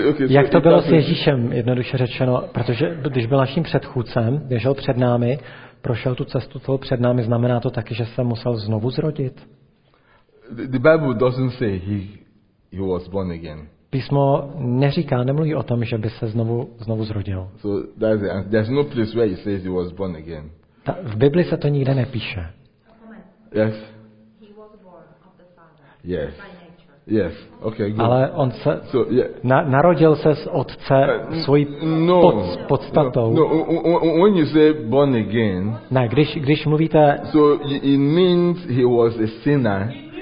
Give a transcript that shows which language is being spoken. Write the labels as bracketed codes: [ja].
[cs] Jak to bylo s Ježíšem, jednoduše řečeno, protože když byl naším předchůdcem, běžel před námi, prošel tu cestu, co před námi, znamená to taky, že se musel znovu zrodit? [en] The Bible doesn't say he was born again. [cs] Písmo neříká, nemluví o tom, že by se znovu zrodil. [en] So there's no place where he says he was born again. [cs] V Bibli se to nikde nepíše. [en] Yes. He was born of the Father. Yes. By nature. Yes. Okay, good. [cs] Ale on se narodil se z otce svojí podstatou. [en] No, when you say born again. [cs] Ne, když mluvíte. [en] So it means he was a sinner.